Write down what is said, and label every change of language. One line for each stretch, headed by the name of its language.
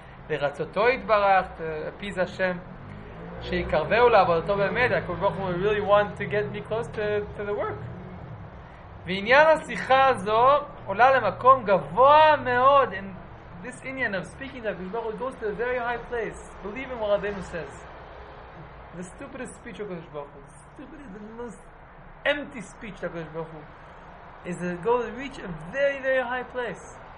Hebrew: Leratzoto yitbarach,
English: to appease Hashem.
Hebrew: שיקרבהו לעבודתו באמת,
English: הקדוש ברוך הוא really want to get me close to the work.
Hebrew: ועניין השיחה הזו עולה למקום גבוה מאוד.
English: And this עניין of speaking to הקדוש ברוך הוא goes to a very high place. Believe in what Rabbeinu says. The stupidest speech of הקדוש ברוך הוא. Stupidest, the most empty speech of הקדוש ברוך הוא. Is the goal to reach a very, very high place.